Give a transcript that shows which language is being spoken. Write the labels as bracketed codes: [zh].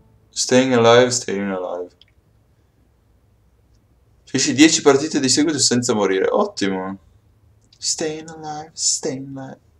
[en] Staying alive, staying alive. [it] Feci 10 partite di seguito senza morire. Ottimo. [en] Staying alive, staying alive.